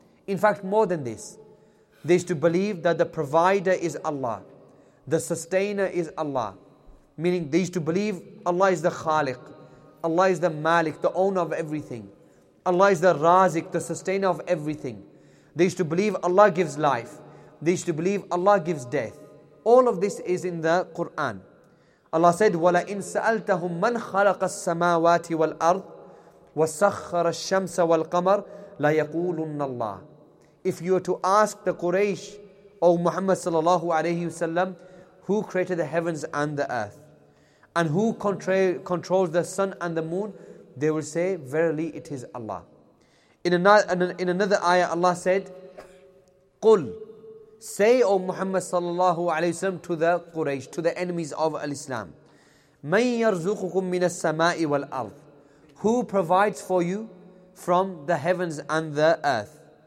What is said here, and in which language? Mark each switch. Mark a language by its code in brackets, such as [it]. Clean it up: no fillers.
[en] In fact, more than this, they used to believe that the provider is Allah, the sustainer is Allah. Meaning they used to believe Allah is the Khaliq, Allah is the Malik, the owner of everything. Allah is the Razik, the sustainer of everything. They used to believe Allah gives life. They used to believe Allah gives death. All of this is in the Quran. Allah said, [ar] وَلَئِن سَأَلْتَهُمْ مَنْ خَلَقَ السَّمَاوَاتِ وَالْأَرْضِ وَسَخَّرَ الشَّمْسَ وَالْقَمَرِ لَيَقُولُنَّ اللَّهِ. [en] If you were to ask the Quraysh, O Muhammad sallallahu alayhi wasallam, who created the heavens and the earth? And who controls the sun and the moon? They will say, verily it is Allah. In another ayah, Allah said, قُلْ, say, O Muhammad sallallahu alayhi wasallam, to the Quraysh, to the enemies of Al-Islam, [ar] مَنْ يَرْزُقُكُمْ مِنَ السَّمَاءِ وَالْأَرْضِ, [en] who provides for you from the heavens and the earth?